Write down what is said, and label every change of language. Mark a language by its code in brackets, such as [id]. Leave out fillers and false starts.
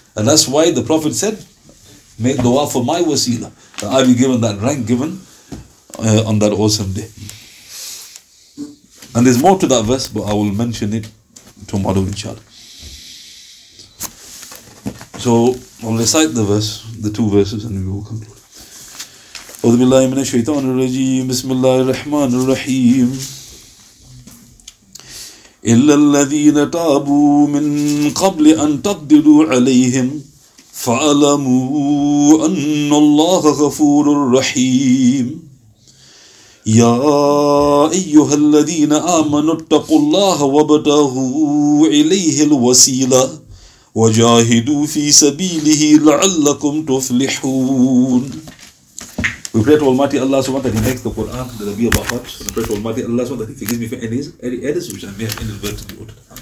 [en] And that's why the Prophet said, make dua for my Waseela, that I be given that rank given on that awesome day. And there's more to that verse, but I will mention it tomorrow, inshallah. So I'll recite the verse, the two verses, and we will conclude. [ar] أعوذ بالله من الشيطان الرجيم بسم الله الرحمن الرحيم إلا الذين تابوا من قبل أن تقدروا عليهم فعلموا أن الله غفور رحيم يا أيها الذين آمنوا اتقوا الله وابتغوا إليه الوسيلة وجاهدوا في سبيله لعلكم تفلحون. [en] We pray to Almighty Allah SWT that He makes the Quran the Rabi of our hearts. And we pray to Almighty Allah SWT that He forgives me for any errors which I may have inadvertently uttered.